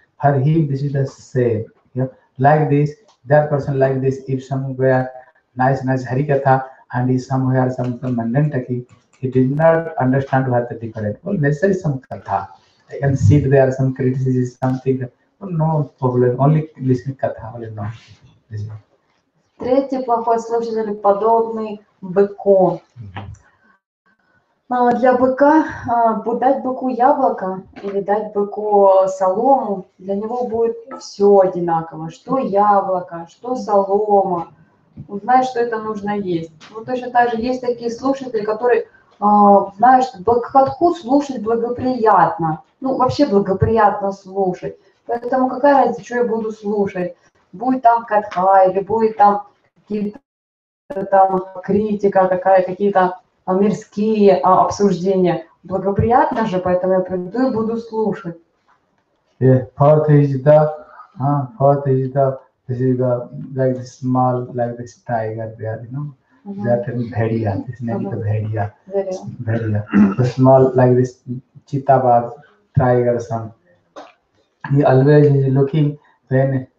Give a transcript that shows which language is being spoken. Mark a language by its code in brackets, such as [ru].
[en] For him, this is the same. You know? Like this, that person like this, if somewhere nice harikatha and he somewhere some mandantaki, he did not understand what the difference. Well, necessary some katha. I can see that there are some criticism, something. Well, no problem. Only listen katha. Well, no. [ru] Третий плохой слушатель подобный быку. Для быка дать быку яблоко или дать быку солому, для него будет все одинаково. Что яблоко, что солома. Он знает, что это нужно есть. Вот точно так же есть такие слушатели, которые знают, что бхакатху слушать благоприятно. Ну, вообще благоприятно слушать. Поэтому какая разница, что я буду слушать. Будет там катха или будет там какие-то там критика, какие-то мирские обсуждения. Благоприятно же, поэтому я приду и буду слушать. [en] Yeah, fourth is the small, like this tiger there, you know? That is bhediya, this name is bhediya. Bhediya. The small, like this cheetah, tiger, son. He always is looking when